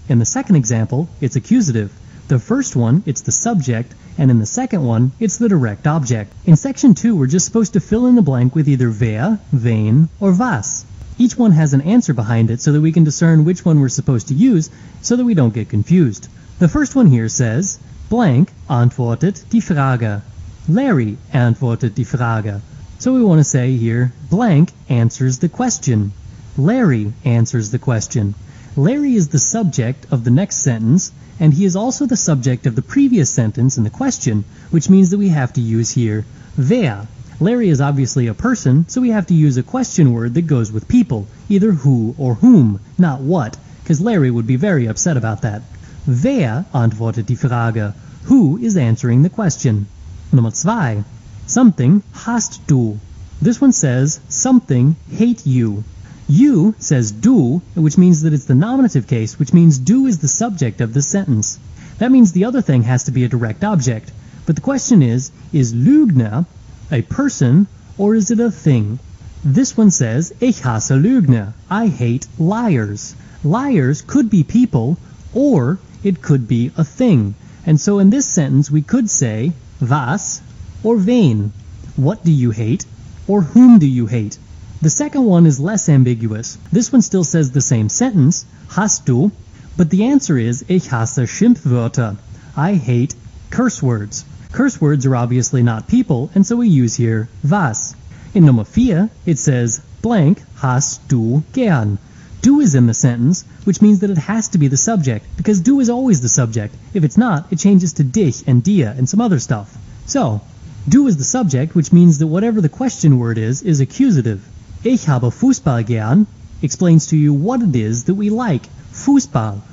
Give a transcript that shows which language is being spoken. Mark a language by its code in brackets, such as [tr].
[en] In the second example, it's accusative. The first one, it's the subject. And in the second one, it's the direct object. In section 2, we're just supposed to fill in the blank with either wer, wen, or was. Each one has an answer behind it so that we can discern which one we're supposed to use so that we don't get confused. The first one here says, blank [de] antwortet die Frage. Larry antwortet die Frage. [en] So we want to say here, blank answers the question. Larry answers the question. Larry is the subject of the next sentence, and he is also the subject of the previous sentence in the question, which means that we have to use here, wer. Larry is obviously a person, so we have to use a question word that goes with people, either who or whom, not what, because Larry would be very upset about that. [de] Wer antwortet die Frage? [en] Who is answering the question? [de] Nummer zwei. [en] Something [de] hast du. [en] This one says, something hate you. You says du, which means that it's the nominative case, which means du is the subject of the sentence. That means the other thing has to be a direct object. But the question is Lügner a person, or is it a thing? This one says, [de] ich hasse Lügner. [en] I hate liars. Liars could be people, or it could be a thing. And so in this sentence, we could say, was or wen. What do you hate, or whom do you hate? The second one is less ambiguous. This one still says the same sentence, [de] hast du, [en] but the answer is, [de] ich hasse Schimpfwörter. [en] I hate curse words. Curse words are obviously not people, and so we use here was. In Nummer 4, it says, blank [de] hast du gern. [en] Du is in the sentence, which means that it has to be the subject, because du is always the subject. If it's not, it changes to dich and dir and some other stuff. So, du is the subject, which means that whatever the question word is accusative. [de] Ich habe Fußball gern [en] explains to you what it is that we like. Fußball.